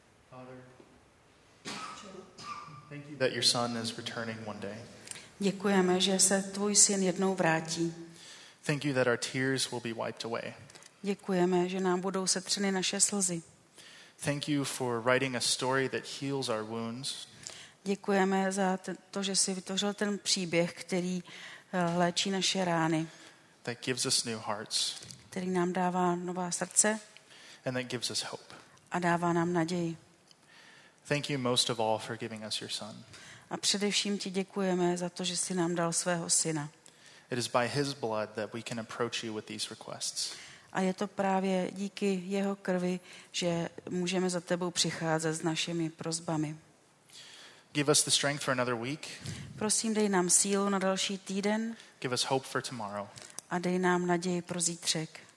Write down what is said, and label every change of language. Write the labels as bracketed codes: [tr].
[en] Father, thank you that your son is returning one day. [cs] Děkujeme, že se tvůj syn jednou vrátí. [en] Thank you that our tears will be wiped away. [cs] Děkujeme, že nám budou setřeny naše slzy. [en] Thank you for writing a story that heals our wounds. [cs] Děkujeme za to, že jsi vytvořil ten příběh, který léčí naše rány. [en] That gives us new hearts. [cs] Který nám dává nová srdce. [en] And that gives us hope. [cs] A dává nám naději. [en] Thank you most of all for giving us your son. [cs] A především ti děkujeme za to, že jsi nám dal svého syna. [en] It is by his blood that we can approach you with these requests. [cs] A je to právě díky jeho krvi, že můžeme za tebou přicházet s našimi prosbami. [en] Give us the strength for another week. [cs] Prosím, dej nám sílu na další týden. [en] Give us hope for tomorrow. [cs] A dej nám naději pro zítřek.